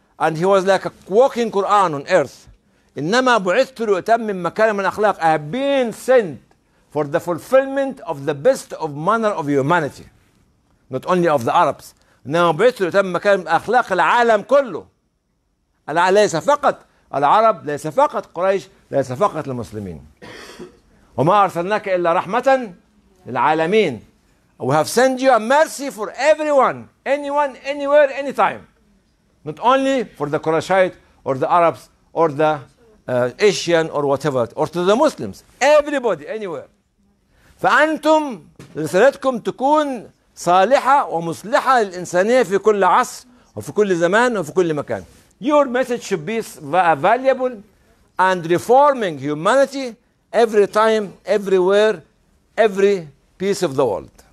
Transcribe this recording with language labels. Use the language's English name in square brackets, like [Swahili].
[English] And he was like a walking Quran on earth. [Arabic] إنما بعثت لأتمم مكارم الأخلاق. [English] I have been sent for the fulfillment of the best of manner of humanity. Not only of the Arabs. [Arabic] إنما بعثت لأتمم مكارم أخلاق العالم كله. ليس فقط العرب، ليس فقط قريش، ليس فقط المسلمين. وما أرسلناك إلا رحمة للعالمين. [English] We have sent you a mercy for everyone, anyone, anywhere, anytime. Not only for the Qurayshite or the Arabs or the Asian or whatever, or to the Muslims. Everybody, anywhere. [Arabic] فأنتم رسالتكم تكون صالحة ومصلحة للإنسانية في كل عصر وفي كل زمان وفي كل مكان. [English] Your message should be valuable and reforming humanity every time, everywhere, every piece of the world.